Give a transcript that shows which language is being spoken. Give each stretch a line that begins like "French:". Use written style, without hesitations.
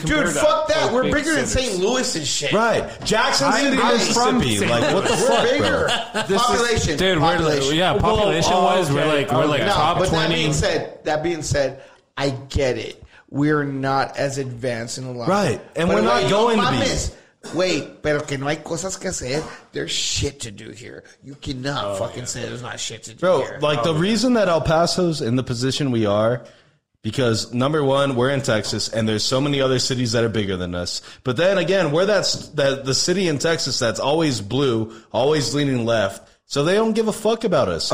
English: Dude, fuck that. We're bigger than St. Louis and shit. Right. Jackson City, Mississippi. Like, what the fuck? We're bigger. Population. Population wise, we're like top 20. That being said, I get it. We're not as advanced in a lot. Right. And we're not going to be. Wait,
Spanish: pero que no hay cosas que hacer.
English: There's shit to do here. You cannot say there's not shit to do bro, here. Bro, like the reason that El Paso's in the position we are, because number one, we're in Texas, and there's so many other cities that are bigger than us. But then again, we're the city in Texas that's always blue, always leaning left, so they don't give a fuck about us.